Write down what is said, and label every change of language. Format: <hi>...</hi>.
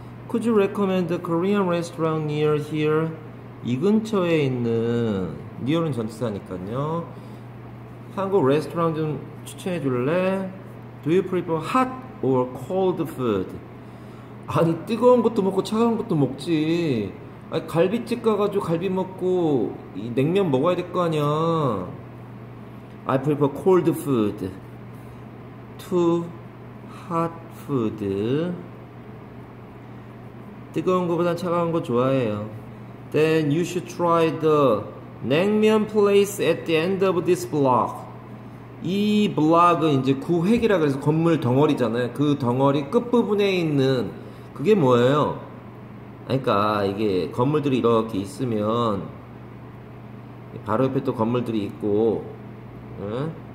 <en>Could you recommend a Korean restaurant near here?</en> <ko>이 근처에 있는 near은 전치사니까요. 한국 레스토랑 좀 추천해 줄래?</ko> <en>Do you prefer hot or cold food?</en> <ko>아니 뜨거운 것도 먹고 차가운 것도 먹지. 아니 갈비집 가가지고 갈비 먹고 이 냉면 먹어야 될거 아니야.</ko> <en>I prefer cold food to hot food.</en> <ko>뜨거운 거보단 차가운 거 좋아해요.</ko> <en>Then you should try the 냉면 place at the end of this block.</en> <ko>이 블록은 이제 구획이라 그래서 건물 덩어리잖아요. 그 덩어리 끝부분에 있는 그게 뭐예요? 그러니까 이게 건물들이 이렇게 있으면 바로 옆에 또 건물들이 있고, 응?</ko>